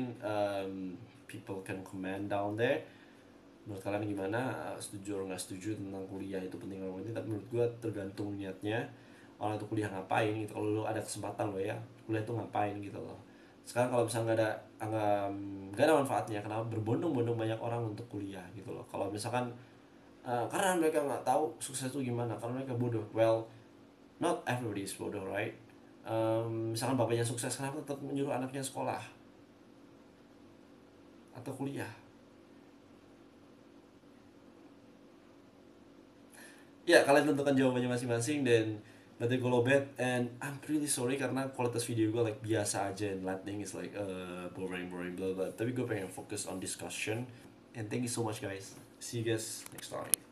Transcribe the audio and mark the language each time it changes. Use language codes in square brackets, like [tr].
[id] Mungkin [en] people can comment down there. [id] Menurut kalian gimana? Setuju atau nggak setuju tentang kuliah itu penting atau tidak? Tapi menurut gue tergantung niatnya. Orang itu kuliah ngapain gitu. Kalau lu ada kesempatan lo ya, kuliah itu ngapain gitu loh. Sekarang kalau misalnya nggak ada manfaatnya, kenapa berbondong-bondong banyak orang untuk kuliah gitu loh. Kalau misalkan karena mereka nggak tahu sukses itu gimana, karena mereka bodoh. [en] Well, not everybody is bodoh, right? [id] Misalkan bapaknya sukses, kenapa tetap menyuruh anaknya sekolah atau kuliah? Ya, kalian tentukan jawabannya masing-masing. Dan nanti gue lobet, [en] and I'm really sorry [id] karena kualitas video gue [en] like [id] biasa aja, [en] and lightning is like boring boring blah blah. [id] Tapi gue pengen fokus [en] on discussion, and thank you so much guys, see you guys next time.